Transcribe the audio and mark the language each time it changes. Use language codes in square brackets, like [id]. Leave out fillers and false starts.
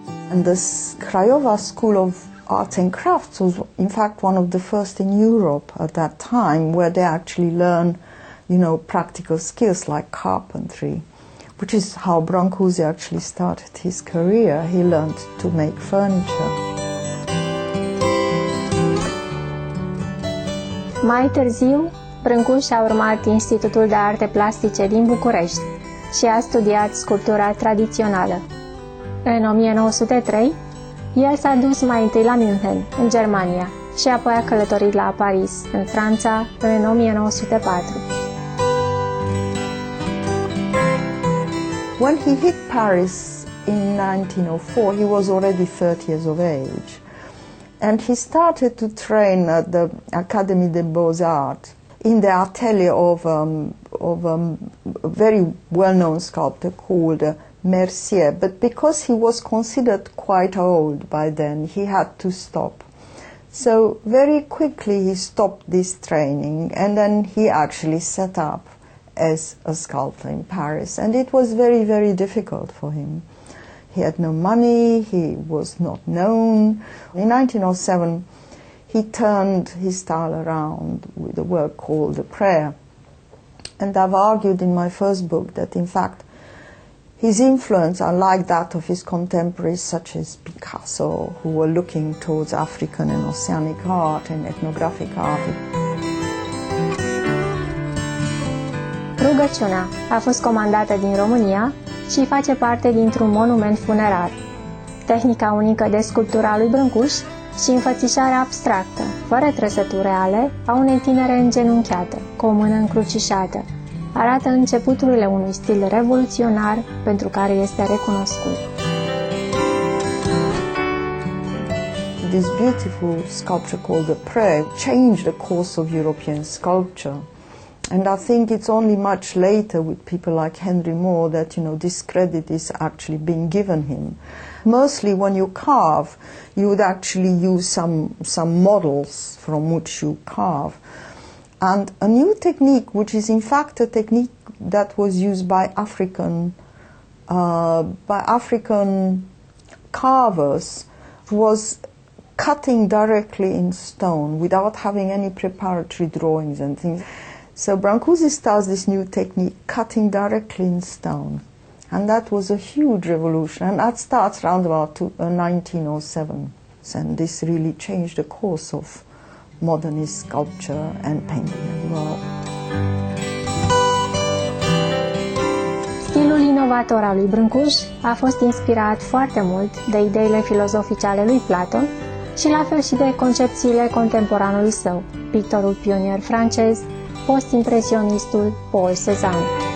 [en] And this Craiova School of Arts and Crafts was in fact one of the first in Europe at that time where they actually learn, you know, practical skills like carpentry, which is how Brancusi actually started his career. He learned to make furniture. [ro] Mai târziu, Brâncuș a urmat Institutul de Arte Plastice din București și a studiat sculptura tradițională. În 1903, el s-a dus mai întâi la München, în Germania, și apoi a călătorit la Paris, în Franța, în 1904. [en] When he hit Paris in 1904, he was already 30 years of age. And he started to train at the Académie des Beaux-Arts in the atelier of a very well-known sculptor called Mercier. But because he was considered quite old by then, he had to stop. So very quickly he stopped this training and then he actually set up as a sculptor in Paris. And it was very, very difficult for him. He had no money, he was not known. In 1907, he turned his style around with a work called The Prayer. And I've argued in my first book that, in fact, his influence, unlike that of his contemporaries such as Picasso, who were looking towards African and Oceanic art and ethnographic art. [ro] Rugăciunea a fost comandată din România și face parte dintr-un monument funerar. Tehnica unică de sculptura lui Brâncuș și înfățișarea abstractă, fără trăsături reale, a unei tinere îngenunchiate, cu o mână încrucișată, arată începuturile unui stil revoluționar pentru care este recunoscut. [en] This beautiful sculpture called The Prayer changed the course of European sculpture. And I think it's only much later with people like Henry Moore that, you know, this credit is actually being given him. Mostly when you carve, you would actually use some models from which you carve. And a new technique, which is in fact a technique that was used by African carvers, was cutting directly in stone without having any preparatory drawings and things. So Brancusi starts this new technique, cutting directly in stone. And that was a huge revolution. And that starts around about 1907. And this really changed the course of modernist sculpture and painting as well. [ro] Stilul inovator al lui Brâncuș a fost inspirat foarte mult de ideile filozofice ale lui Platon și la fel și de concepțiile contemporanului său, pictorul pionier francez, post-impresionistul Paul Cézanne.